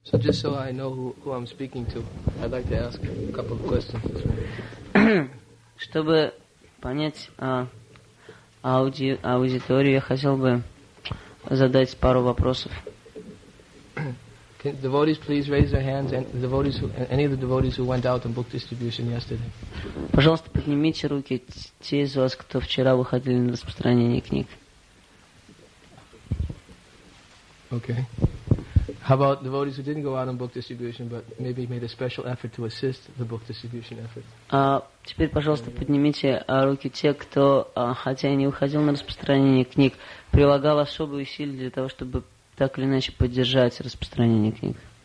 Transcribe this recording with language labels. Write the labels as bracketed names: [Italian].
[English] So just so I know who I'm speaking to, I'd like to ask a couple of questions. [Russian] Чтобы понять аудиторию, я хотел бы задать пару вопросов. [English] Can devotees please raise their hands, and devotees who, any of the devotees who went out on book distribution yesterday? [Russian] Пожалуйста, поднимите руки те из вас, кто вчера выходили на распространение книг. [English] Okay. How about devotees who didn't go out on book distribution, but maybe made a special effort to assist the book distribution effort? [Russian] Теперь, пожалуйста, поднимите руки те, кто, хотя и не выходил на распространение книг, прилагал особые усилия для того, чтобы так или иначе поддержать распространение книг.